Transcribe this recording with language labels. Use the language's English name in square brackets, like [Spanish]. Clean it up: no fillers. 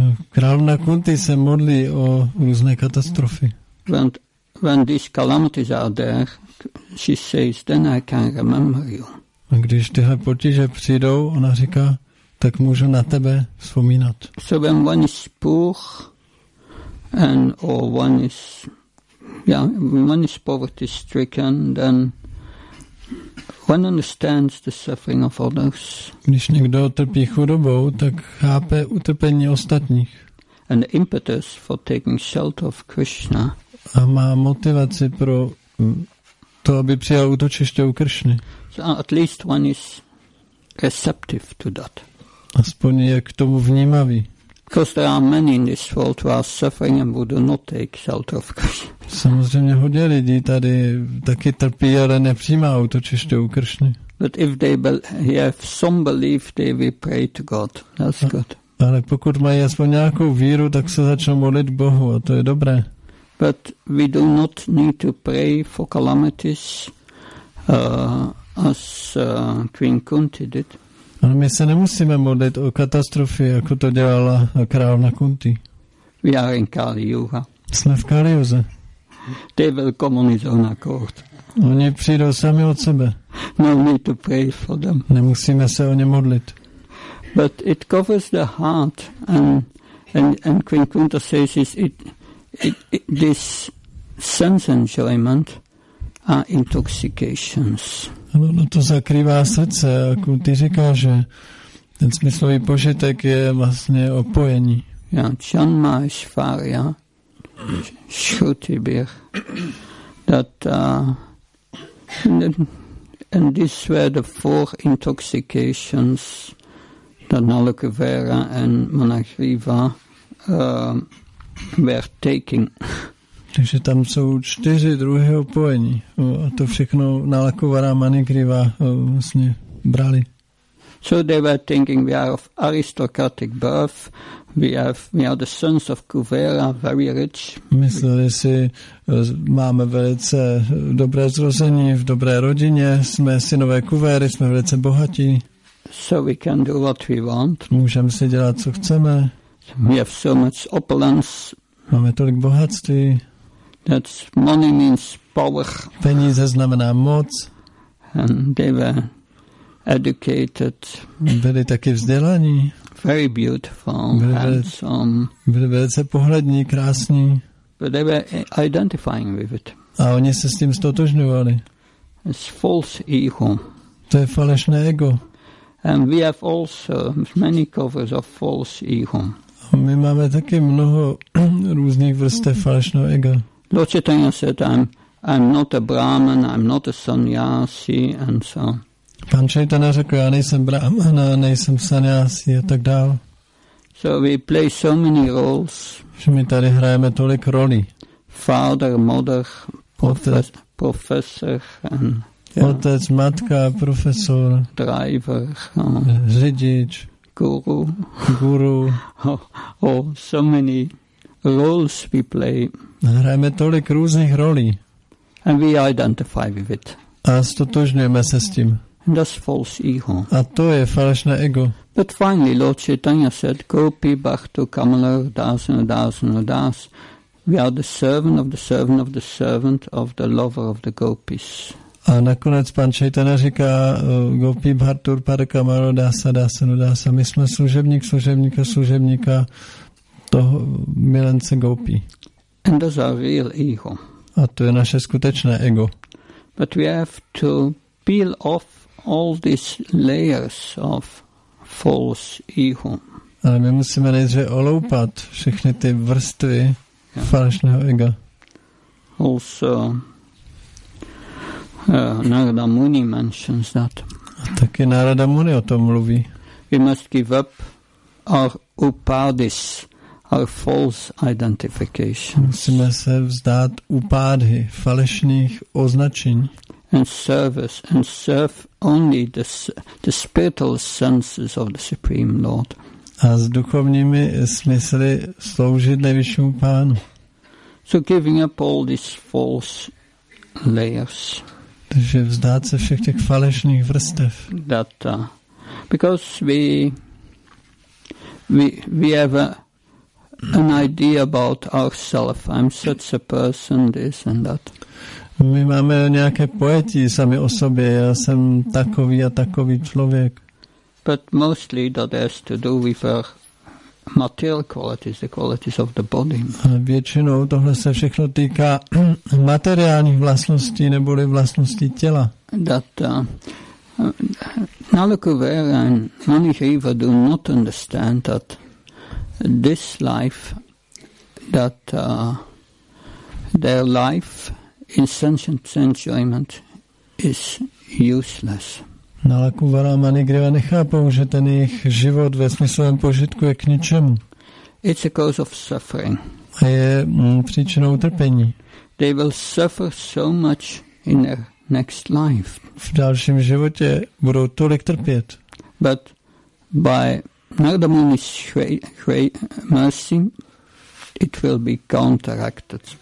[Czech] Královna Kunti se modlí o různé katastrofy. [English] When these calamities are there, she says, then I can remember you. [Czech] A když tyhle potíže přijdou, ona říká, tak můžu na tebe vzpomínat. [English] So when one is poor, and or one is, yeah, one is poverty stricken, then one understands the suffering of others. [Czech] Když někdo trpí chudobou, tak chápe utrpení ostatních. [English] And the impetus for taking shelter of Krishna. [Czech] A má motivaci pro to, aby přijal útočiště u Kršny. [English] So at least one is receptive to that. [Czech] Aspoň je k tomu vnímavý. [English] Because there are many in this world who are suffering and would not take shelter of Krishna. [Czech] Samozřejmě hodně lidí tady taky trpí, ale nepřijímá útočiště u Kršny. [English] But if they have some belief, they will pray to God. That's good. [Czech] Ale pokud mají aspoň nějakou víru, tak se začnou modlit Bohu a to je dobré. [English] But we do not need to pray for calamities as Queen Kunti did. [Czech] Ale my se nemusíme modlit o katastrofy, jako to dělala královna Kunti. [English] We are in Kali Yuga. [Czech] Jsme v Kali Yuze. [English] They will come on his own accord. [Czech] Oni přijdou sami od sebe. [English] No need to pray for them. [Czech] Nemusíme se o ně modlit. [English] But it covers the heart, and Queen Quinta says it this sense enjoyment are intoxications. [Czech] Ano, no to zakrývá srdce. Kunti říká, že ten smyslový požitek je vlastně opojení. [English] Ja, Chanma Ishvarya, Shrutibir, that, and these were the four intoxications that Nalaka Vera and Manasriva were taking. [Czech] Takže tam jsou čtyři druhy opojení. A to všechno Nalaka Vera a Manasriva vlastně brali. [English] So they were thinking we are of aristocratic birth, we are the sons of Kuvera, very rich. [Czech] Mysleli si, máme velice dobré zrození, v dobré rodině, jsme synové Kuvery, jsme velice bohatí. [English] So we can do what we want. [Czech] Můžeme si dělat, co chceme. [English] We have so much opulence. [Czech] Máme tolik bohatství. [English] That money means power. [Czech] Peníze znamená moc. [English] And they were educated, [Czech] byli taky vzdělaní, [English] very beautiful, [Czech] byli [English] handsome, [Czech] byli velice pohlední, krásní, [English] but they were identifying with it. [Czech] A oni se s tím stotožňovali. [English] It's false ego. [Czech] To je falešné ego. [English] And we have also many covers of false ego. [Czech] A my máme taky mnoho různých vrstev falešného ega. [English] Lord Chaitanya said, I'm not a Brahman, I'm not a sannyasi, and so on. [Czech] Pan Chaitanya řekl, já nejsem brahmana, nejsem sannyasi a tak dál. [English] So we play so many roles. [Czech] Že my tady hrajeme tolik rolí. [English] Father, mother, profesor. [Czech] Otec, matka, profesor. [English] Driver. [Czech] Řidič. [English] Guru. [Czech] Guru. [English] So many roles we play. [Czech] Hrajeme tolik různých rolí. [English] And we identify with it. [Czech] A stotožňujeme se s tím. [English] And that's false ego. [Czech] A to je falešné ego. [English] But finally, Lord Chaitanya said, Gopi, Bhakto, Kamala, Dasana, Dasana, Das, we are the servant of the servant of the servant of the lover of the Gopis. [Czech] A nakonec pan Chaitanya říká, Gopi, Bhartur, Pada, Kamala, Dasa, Dasana, Dasa, my jsme služebník, služebníka, služebníka toho milence Gopi. [English] And that's our real ego. [Czech] A to je naše skutečné ego. [English] But we have to peel off all these layers of false ego. [Czech] Ale my musíme nejdřív oloupat všechny ty vrstvy falešného ega. [English] Also, Narada Muni mentions that. [Czech] A taky Narada Muni o tom mluví. [English] We must give up our upadis, our false identifications. [Czech] Musíme se vzdát upadhy, falešných označení. [English] And service and serve only the spiritual senses of the Supreme Lord. [Czech] A s duchovními smysly sloužit nejvyššímu pánu. [English] So giving up all these false layers. [Czech] Takže vzdát se všech těch falešných vrstev. [English] That, because we have an idea about ourselves. I'm such a person, this and that. [Czech] My máme nějaké pojetí sami o sobě. Já jsem takový a takový člověk. [English] But mostly that has to do with our material qualities, the qualities of the body. [Czech] Většinou tohle se všechno týká materiálních vlastností neboli vlastností těla. [English] That Nalaka Vera and Manasriva do not understand that this life, that their life in sentient enjoyment is useless. [Czech] Nalaka Vera a Manasriva nechápou, že ten jejich život ve smyslovém požitku je k ničemu. [English] It's a cause of suffering. [Czech] A je příčinou trpení. [English] They will suffer so much in their next life. [Czech] V dalším životě budou tolik trpět. [English] But by Narada Muni's mercy, it will be counteracted.